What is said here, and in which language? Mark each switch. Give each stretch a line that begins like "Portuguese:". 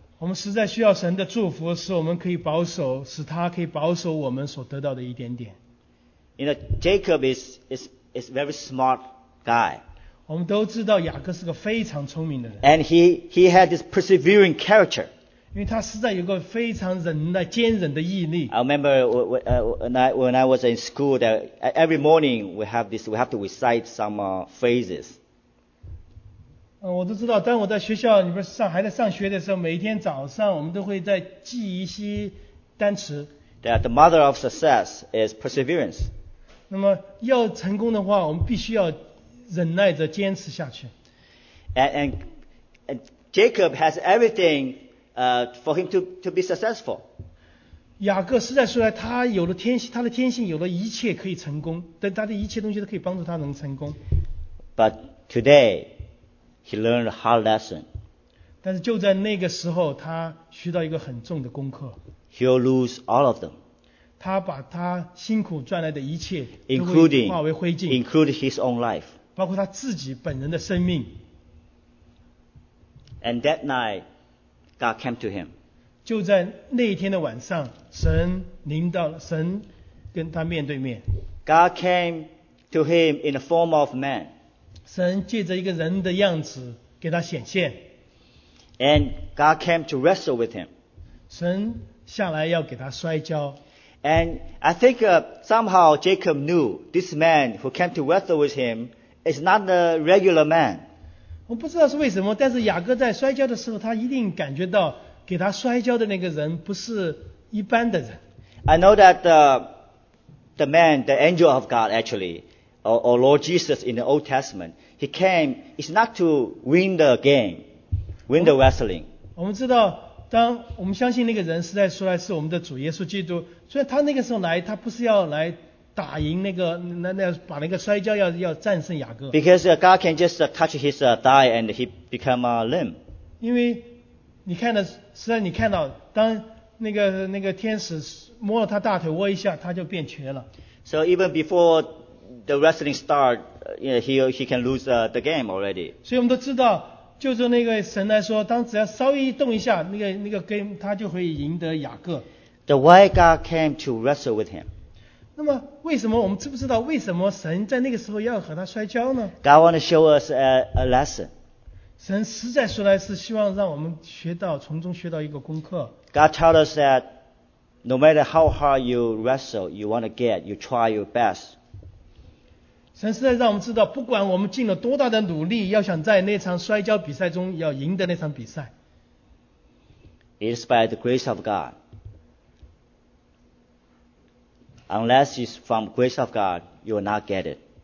Chinese: 我们实在需要神的祝福，使我们可以保守，使他可以保守我们所得到的一点点。
English: You know, Jacob is very smart guy.
Chinese: 我们都知道雅各是个非常聪明的人。
English: And he had this persevering character.
Chinese: 因为他实在有个非常忍耐、坚忍的毅力。
English: I remember when I was in school, that every morning we have to recite some phrases.
Chinese: 我都知道，当我在学校里边上还在上学的时候，每天早上我们都会在记一些单词。
English: That the mother of success is perseverance.
Chinese: 那么要成功的话，我们必须要忍耐着坚持下去。
English: And Jacob has everything. For him to be successful.
Chinese: 雅各实在说来，他有了天性，他的天性有了一切可以成功，但他的一切东西都可以帮助他能成功。
English: But today, he learned a hard lesson.
Chinese: 但是就在那个时候，他学到一个很重的功课。
English: He'll lose all of them.
Chinese: 他把他辛苦赚来的一切
English: ，including
Chinese: 化为灰烬
English: ，including his own life.
Chinese: 包括他自己本人的生命。
English: And that night. God came to him.
Chinese: 就在那一天的晚上，神临到，神跟他面对面。
English: God came to him in the form of man.
Chinese: 神借着一个人的样子给他显现。
English: And God came to wrestle with him.
Chinese: 神下来要给他摔跤。
English: And I think somehow Jacob knew this man who came to wrestle with him is not a regular man.
Chinese: 我不知道是为什么，但是雅各在摔跤的时候，他一定感觉到给他摔跤的那个人不是一般的人。
English: I know that the man, the angel of God actually, or Lord Jesus in the Old Testament, he came, it's not to win the game, win the wrestling.
Chinese: 我们知道，当我们相信那个人实在出来是我们的主耶稣基督，所以他那个时候来，他不是要来打赢那个，那把那个摔跤要战胜雅各。
English: Because God can just touch his thigh and he become limb.
Chinese: 因为你看到，实际你看到，当那个天使摸了他大腿窝一下，他就变瘸了。
English: So even before the wrestling start, he can lose the game already.
Chinese: 所以我们都知道，就是那个神来说，当只要稍微动一下，那个 game 他就会赢得雅各。
English: The why God came to wrestle with him.
Chinese: 那么为什么我们知不知道为什么神在那个时候要和他摔跤呢？
English: God want to show us a lesson.
Chinese: 神实在说来是希望让我们学到，从中学到一个功课。
English: God tell us that no matter how hard you wrestle, you want to get, you try your best.
Chinese: 神实在让我们知道，不管我们尽了多大的努力，要想在那场摔跤比赛中要赢得那场比赛。
English: It's by the grace of GodUnless it's from grace of God, you will not get it.